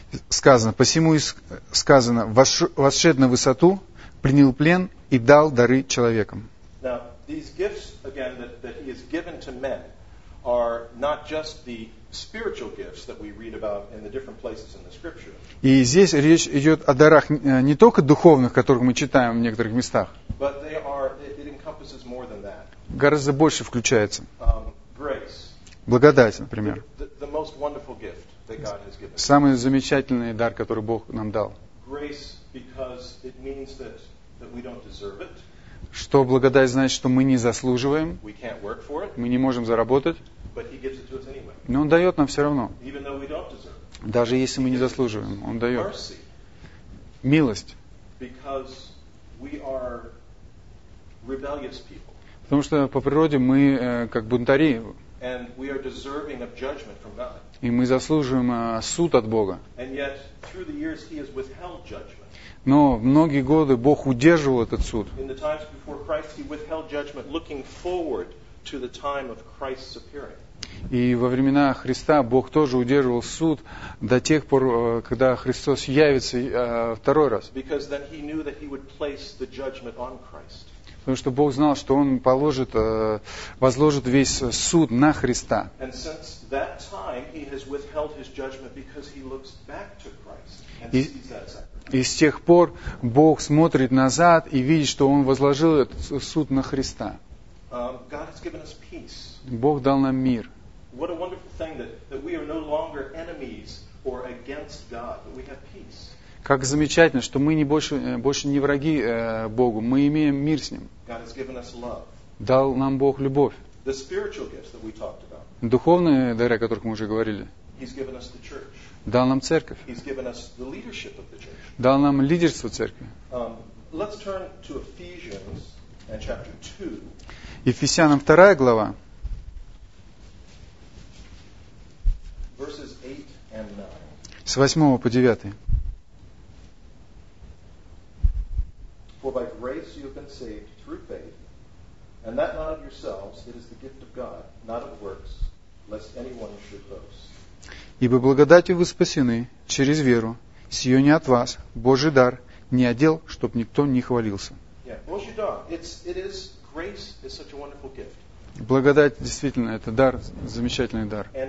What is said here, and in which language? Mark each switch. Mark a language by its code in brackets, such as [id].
[ru] Сказано, посему сказано, вошед на высоту, принял плен и дал дары человекам. [en] Now, these gifts, again, that he has given to men are not just the spiritual gifts that we read about in the different places in the scripture. [ru] И здесь речь идет о дарах не только духовных, которых мы читаем в некоторых местах. [en] But they are, it encompasses more than that. [ru] Гораздо больше включается. [en] Grace. [ru] Благодать, например. [en] The most wonderful gift that God has given. [ru] Самый замечательный дар, который Бог нам дал. [en] Grace, because it means that we don't deserve it. [ru] Что благодать значит, что мы не заслуживаем. [en] We can't work for it. [ru] Мы не можем заработать. [en] But he gives it to us anyway. [ru] Но Он дает нам все равно. [en] Even though we don't deserve. [ru] Даже если мы не заслуживаем, Он дает. [en] Mercy. [ru] Милость. [en] Because we are rebellious people. [ru] Потому что по природе мы как бунтари. [en] And we are deserving of judgment from God. [ru] И мы заслуживаем суд от Бога. [en] And yet, through the years, he has withheld judgment. [ru] Но многие годы Бог удерживал этот суд. [en] In the times before Christ, he withheld judgment, looking forward to the time of Christ's appearing. [ru] И во времена Христа Бог тоже удерживал суд до тех пор, когда Христос явится второй раз. [en] Because then he knew that he would place the judgment on Christ. [ru] Потому что Бог знал, что Он положит, возложит весь суд на Христа. [en] And since that time, he has withheld his judgment because he looks back to Christ and sees that sacrifice. [ru] И с тех пор Бог смотрит назад и видит, что Он возложил этот суд на Христа. [en] God has given us peace. [ru] Бог дал нам мир. [en] What a wonderful thing that we are no longer enemies or against God, but we have peace. [ru] Как замечательно, что мы не больше не враги Богу, мы имеем мир с Ним. [en] God has given us love. [ru] Дал нам Бог любовь. [en] The spiritual gifts that we talked about. [ru] Духовные дары, о которых мы уже говорили. [en] He's given us the church. [ru] Дал нам церковь. [en] He's given us the leadership of the church. [ru] Дал нам лидерство церкви. [en] Let's turn to Ephesians and chapter 2. [ru] Ефесянам 2 глава. 8 по 9. [en] For by grace you have been saved through faith, and that not of yourselves, it is the gift of God, not of works, lest anyone should boast. [ru] Ибо благодатью вы спасены через веру, сие не от вас, Божий дар, не от дел, чтоб никто не хвалился. Благодать действительно это дар, замечательный дар.